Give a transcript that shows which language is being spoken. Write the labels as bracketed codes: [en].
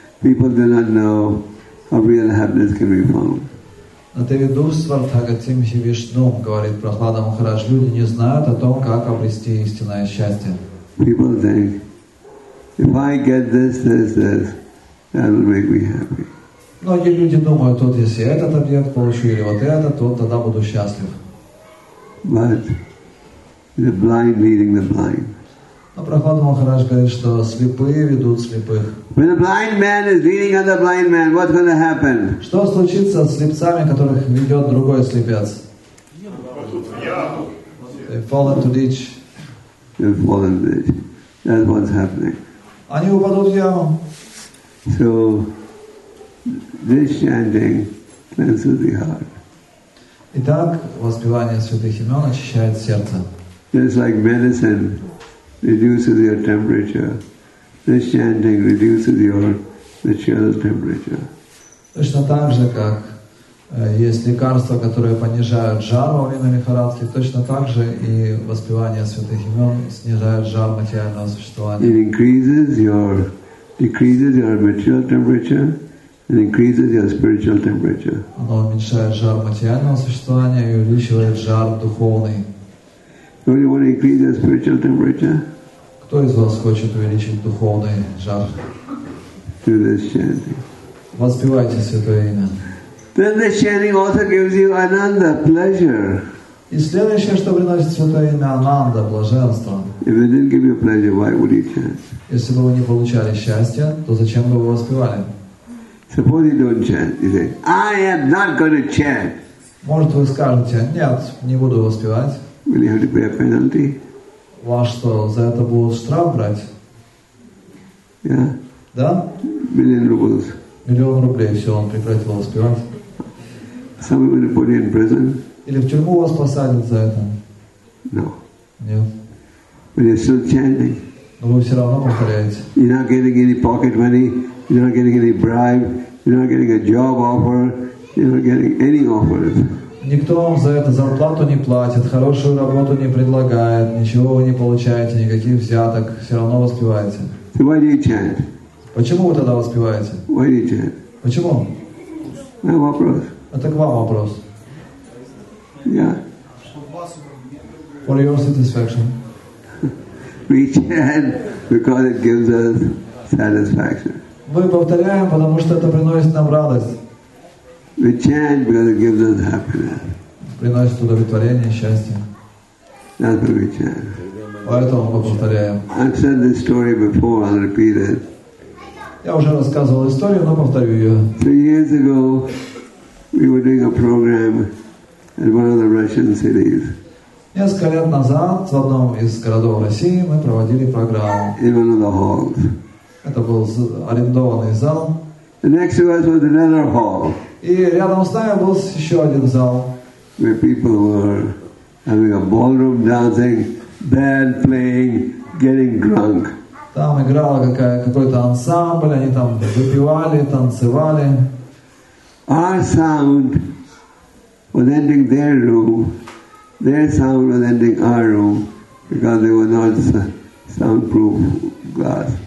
[en] People do not know how real happiness can be found. [sa] Нате видус свартагатим хи Вишну, [ru] говорит Прохлада Махарадж, люди не знают о том, как обрести истинное счастье. [en] People think, if I get this, that will make me happy. [ru] Многие люди думают, вот если этот объект получу или вот этот, то тогда буду счастлив. [en] But the blind leading the blind. [ru] Но Прохлада Махарадж говорит, что слепые ведут слепых. [en] When a blind man is leading another blind man, what's going to happen? [ru] Что случится с слепцами, которых ведет другой слепец? [en] They fall into ditch. They fall into ditch. That's what's happening. [ru] Они упадут в яму. [en] So this chanting cleanses the heart. [ru] Итак, воспевание святых имен очищает сердце. [en] It's like medicine reduces your temperature. This chanting reduces your material temperature. [ru] Точно так же, как есть лекарства, которые понижают жар во время лихорадки, точно так же и воспевание святых имен снижает жар материального существования. [en] It decreases your material temperature. It increases your spiritual temperature. [ru] Оно уменьшает жар материального существования и увеличивает жар духовный. [en] Do you want to increase your spiritual temperature? [ru] Кто из вас хочет увеличить духовный жар? [en] Do this chanting. [ru] Воспевайте святое имя. [en] Then this chanting also gives you ananda, pleasure. [ru] И следующее, что приносит святое имя, ананда, блаженство. [en] If it didn't give you pleasure, why would you chant? [ru] Если бы вы не получали счастья, то зачем бы вы воспевали? [en] Suppose you don't chant. You say, I am not going to chant. [ru] Может, вы скажете, нет, не буду воспевать. [en] Will you have to pay a penalty? [ru] Вас что, за это будут штраф брать? [en] Yeah. [ru] Да? [en] Million rubles. [ru] Миллион рублей, все, он прекратил воспевать. [en] Some will put you in prison. [ru] Или в тюрьму вас посадят за это? [en] No. [ru] Нет. [en] But you're still chanting. [ru] Но вы все равно повторяете. [en] You're not getting any pocket money. You're not getting any bribe. You're not getting a job offer. You're not getting any offers. [ru] Никто вам за это зарплату не платит, хорошую работу не предлагает, ничего вы не получаете, никаких взяток, все равно воспеваете. [en] So why do you chant? [ru] Почему вы тогда воспеваете? [en] Why do you chant? [ru] Почему? Это вопрос. Это к вам вопрос. [en] Yeah. For your satisfaction. We chant because it gives us satisfaction. [ru] Мы повторяем, потому что это приносит нам радость. [en] We chant because it gives us happiness. [ru] Приносит удовлетворение, счастье. [en] That's what we chant. [ru] Поэтому мы повторяем. [en] I've said this story before, I'll repeat it. [ru] Я уже рассказывал историю, но повторю ее. [en] 3 years ago, we were doing a program in one of the Russian cities. [ru] Несколько лет назад в одном из городов России мы проводили программу. [en] In one of the halls. [ru] Это был арендованный зал. [en] And next to us was another hall. [ru] И рядом с нами был еще один зал. [en] Where people were having a ballroom dancing, band playing, getting drunk. [ru] Там играл какой-то ансамбль, они там выпивали, танцевали. [en] Our sound was ending their room, their sound was ending our room, because they were not soundproof glass.